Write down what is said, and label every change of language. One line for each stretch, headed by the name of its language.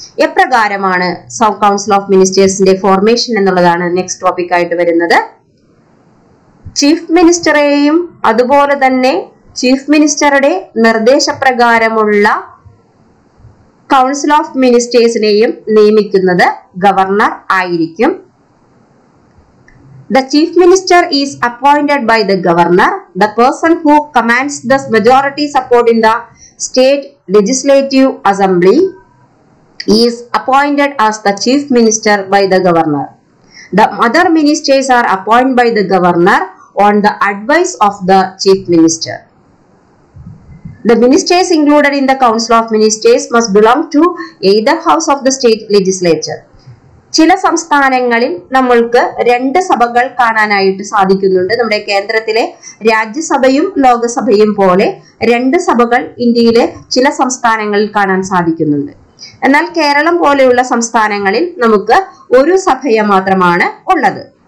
Malayalam: എപ്രകാരമാണ് council of മിനിസ്റ്റേഴ്സിന്റെ formation എന്നുള്ളതാണ് next topic ആയിട്ട് വരുന്നത്. ചീഫ് മിനിസ്റ്ററെയും അതുപോലെ തന്നെ ചീഫ് മിനിസ്റ്ററുടെ നിർദ്ദേശപ്രകാരമുള്ള കൗൺസിൽ ഓഫ് മിനിസ്റ്റേഴ്സിനെയും നിയമിക്കുന്നത് ഗവർണർ ആയിരിക്കും.
English: The chief minister is appointed by the governor. The person who commands the majority support in the state legislative assembly is appointed as the chief minister by the governor. The other ministers are appointed by the governor on the advice of the chief minister. The ministers included in the council of ministers must belong to either house of the state legislature.
Malayalam: ചില സംസ്ഥാനങ്ങളിൽ നമ്മൾക്ക് രണ്ട് സഭകൾ കാണാനായിട്ട് സാധിക്കുന്നുണ്ട്. നമ്മുടെ കേന്ദ്രത്തിലെ രാജ്യസഭയും ലോകസഭയും പോലെ രണ്ട് സഭകൾ ഇന്ത്യയിലെ ചില സംസ്ഥാനങ്ങളിൽ കാണാൻ സാധിക്കുന്നുണ്ട്. എന്നാൽ കേരളം പോലെയുള്ള സംസ്ഥാനങ്ങളിൽ നമുക്ക് ഒരു സഭയെ മാത്രമാണ് ഉള്ളത്.